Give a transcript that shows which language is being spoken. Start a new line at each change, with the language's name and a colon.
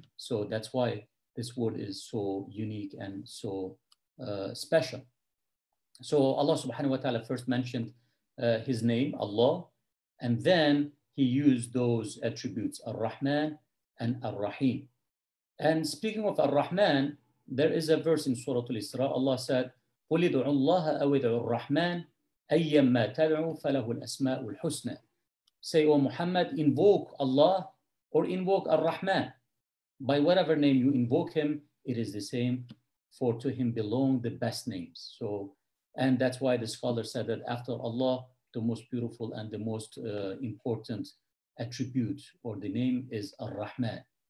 English: So that's why this word is so unique and so special. So Allah subhanahu wa ta'ala first mentioned his name, Allah. And then he used those attributes, Ar-Rahman and Ar-Rahim. And speaking of Ar-Rahman, there is a verse in Surah Al-Isra. Allah said,
Arabic: قُلِ دُعُوا اللَّهَ أَوِدُعُوا الرَّحْمَانَ أَيَّمَّا تَدْعُوا فَلَهُ الْأَسْمَاءُ الْحُسْنَى.
English: Say, O Muhammad, invoke Allah or invoke Ar-Rahman. By whatever name you invoke him, it is the same, for to him belong the best names. So, and that's why the scholar said that after Allah, the most beautiful and the most important attribute or the name is Ar-Rahman.